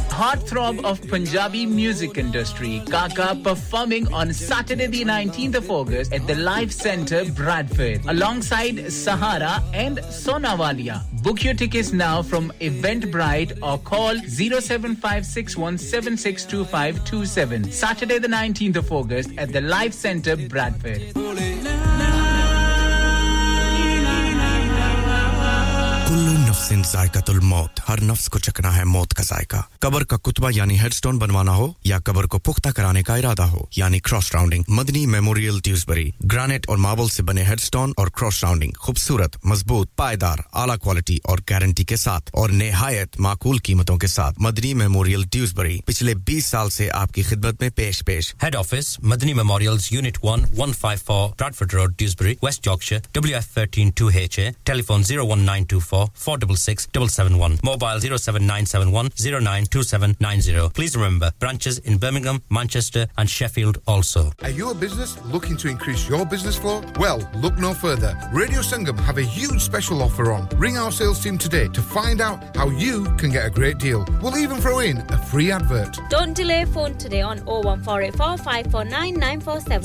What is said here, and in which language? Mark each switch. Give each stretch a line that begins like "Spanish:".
English: Heartthrob of Punjabi music industry, Kaka performing on Saturday the 19th of August at the Life Centre, Bradford, alongside Sahara and Sonawalia. Book your tickets now from Eventbrite or call 07561762527. Saturday the 19th of August at the Life Centre, Bradford.
Urdu: سن ذائقت الموت ہر نفس کو چکنا ہے موت کا ذائقہ قبر کا کتبہ یعنی ہیڈ سٹون بنوانا ہو یا قبر کو پختہ کرانے کا ارادہ ہو یعنی کراس راؤنڈنگ مدنی میموریل ڈیوزبری گرینٹ اور مابل سے بنے ہیڈ سٹون اور کراس راؤنڈنگ خوبصورت مضبوط پائیدار اعلی کوالٹی اور گارنٹی کے ساتھ اور نہایت معقول قیمتوں کے ساتھ مدنی میموریل ڈیوزبری پچھلے 20 سال سے آپ کی خدمت میں پیش پیش head office Madani میموریلز unit 1154 برادفورڈ road Dewsbury waste Yorkshire WF13 2HA tele phone 01924 4 6771 Mobile 07971092790.
English: Please remember branches in Birmingham, Manchester, and Sheffield also. Are you a business looking to increase your business flow? Well, look no further. Radio Sangam have a huge special offer on. Ring our sales team today to find out how you can get a great deal. We'll even throw in a free advert. Don't delay phone today on 01484549947.